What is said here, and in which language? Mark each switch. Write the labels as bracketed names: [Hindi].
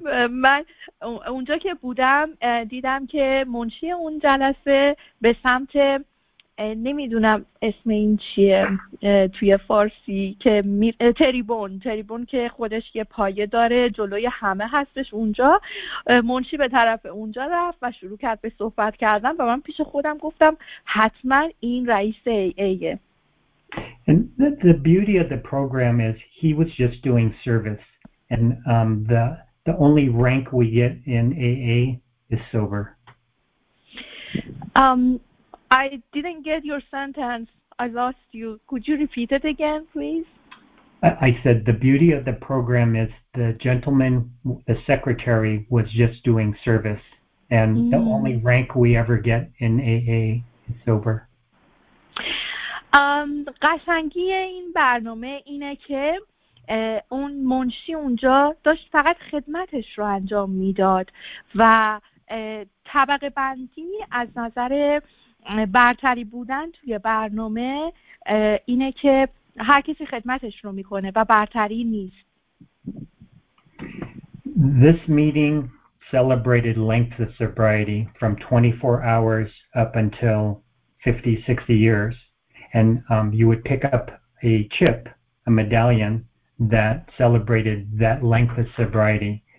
[Persian] من اونجا که بودم دیدم که منشی اون جلسه به سمت نمیدونم اسم این چیه توی فارسی که تریبون که خودش یه پایه داره جلوی همه هستش، اونجا منشی به طرف اونجا رفت و شروع کرد به صحبت کردن و من پیش خودم گفتم حتما این رئیس AA. [English] And the beauty of the program is he was just doing service, and the only rank we get in AA is sober. I didn't get your sentence. I lost you. Could you repeat it again, please? I said the beauty of the program is the gentleman, the secretary, was just doing service, and the only rank we ever get in AA is sober. [Persian] قشنگی این برنامه اینه که اون منشی اونجا داشت فقط خدمتش رو انجام میداد و طبقه بندی از نظر برتری بودن توی برنامه اینه که هر کسی خدمتش رو میکنه و برتری نیست. [English] This meeting celebrated length of sobriety from 24 hours up until 50-60 years. And you would pick up a chip, a medallion, that celebrated that length of sobriety.